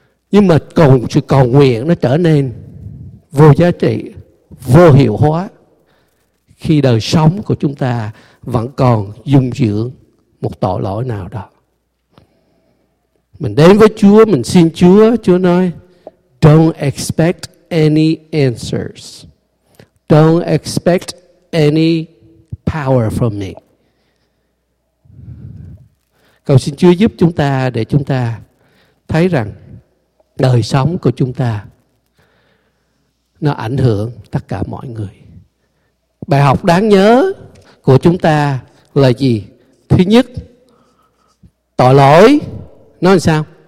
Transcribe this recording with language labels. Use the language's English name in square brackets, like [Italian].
[Vietnamese] Nhưng mà sự cầu nguyện nó trở nên vô giá trị, vô hiệu hóa khi đời sống của chúng ta vẫn còn dung dưỡng một tội lỗi nào đó. Mình đến với Chúa, mình xin Chúa, Chúa nói, [English] don't expect any answers. Don't expect any power from me. [Vietnamese] Cầu xin Chúa giúp chúng ta để chúng ta thấy rằng đời sống của chúng ta nó ảnh hưởng tất cả mọi người. Bài học đáng nhớ của chúng ta là gì? Thứ nhất, tội lỗi nó làm sao?